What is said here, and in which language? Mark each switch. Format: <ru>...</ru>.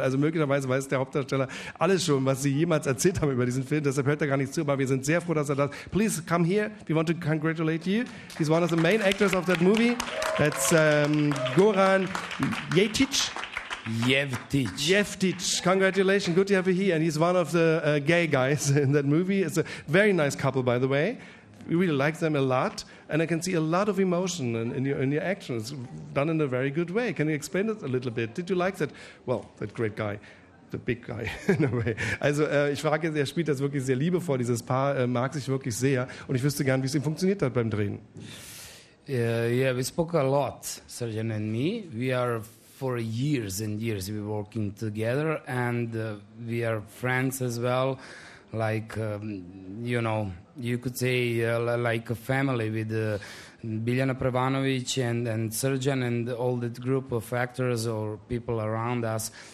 <de>Also möglicherweise weiß der Hauptdarsteller alles schon, was Sie jemals erzählt haben über diesen Film. Deshalb hört er gar nicht zu, aber wir sind sehr froh, dass er das...</de> <en>Please come here. We want to congratulate you. He's one of the main actors of that movie. That's Goran Jevtić. Congratulations. Good to have you here. And he's one of the gay guys in that movie. It's a very nice couple, by the way. We really like them a lot. And I can see a lot of emotion in your actions, done in a very good way. Can you explain it a little bit? Did you like that? Well, that great guy, the big guy, in a way.</en> <de>Also ich frage jetzt, er spielt das wirklich sehr liebevoll, dieses Paar mag sich wirklich sehr. Und ich wüsste gern, wie es ihm funktioniert hat beim Drehen.</de> <en>Yeah, we spoke a lot, Sergen and me. We are for years and years we working together, and we are friends as well. Like, you know, you could say like a family with Biljana Prevanović and Sergen and all that group of actors or people around us.</en>